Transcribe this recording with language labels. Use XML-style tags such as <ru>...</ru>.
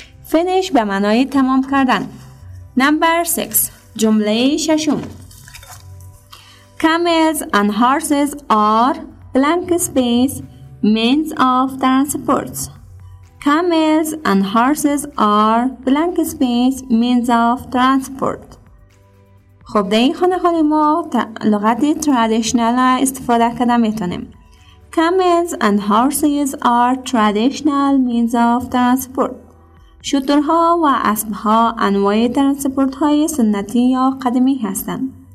<fa>Finish به معنای تمام کردن.</fa> <en>Number 6.</en> <fa>جمله ششم.</fa> <en>Camels and horses are blank space means of transport. Camels and horses are blank space means of transport.</en> <fa>خب در این خانه خالی ما لغت ترادیشنال استفاده کرده میتونیم.</fa> <en>Camels and horses are traditional means of transport.</en> <fa>شترها و اسبها انواع ترانسپورت های سنتی یا قدیمی هستند.</fa>